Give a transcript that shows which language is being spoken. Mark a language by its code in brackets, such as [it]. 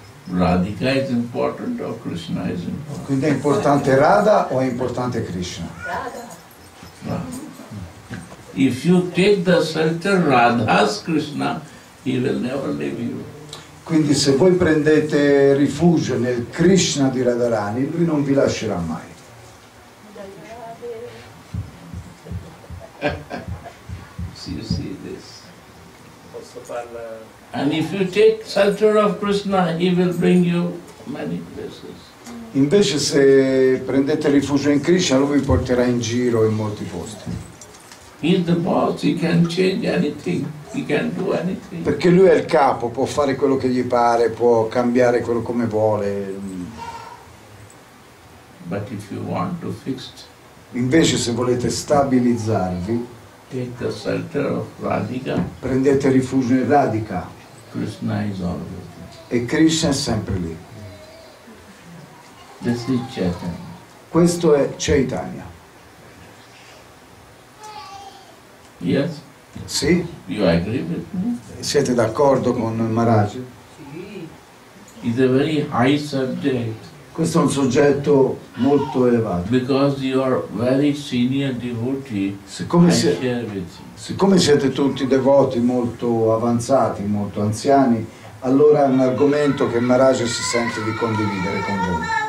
[en] Radhika is important or Krishna is important? [it] Quindi è importante Radha o è importante Krishna? [en] Radha. Radha. If you take the shelter Radha's Krishna, he will never leave you. [it] Quindi se voi prendete rifugio nel Krishna di Radharani, lui non vi lascerà mai. [en] See, you see this. [it] Posso parlare. [en] And if you take shelter of Krishna, he will bring you many places. [it] Invece se prendete rifugio in Krishna, lui vi porterà in giro in molti posti. [en] He is the boss, he can change anything, he can do anything. [it] Perché lui è il capo, può fare quello che gli pare, può cambiare quello come vuole. [en] But if you want to fix it, [it] invece se volete stabilizzarvi, [en] take the shelter of Radhika. [it] Prendete rifugio in Radhika. [en] Krishna is always there. [it] E Krishna è sempre lì. [en] This is Chaitanya. [it] Questo è Chaitanya. [en] Yes. [it] Sì. [en] You agree with me? [it] Siete d'accordo con Maharaj? Sì. [en] It's a very high subject. [it] Questo è un soggetto molto elevato. [en] Because you are very senior devotee. [it] Siccome siete tutti devoti molto avanzati, molto anziani, allora è un argomento che Maharaj si sente di condividere con voi.